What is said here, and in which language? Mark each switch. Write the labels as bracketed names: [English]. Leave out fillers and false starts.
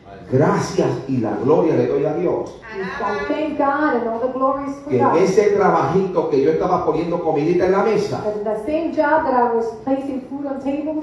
[Spanish] Gracias y la gloria le doy a Dios. [English] I thank God and all the glory is for [Spanish] que [English] God. [Spanish] En ese trabajito que yo estaba poniendo comidita en la mesa. [English] But in the same job that I was placing food on tables.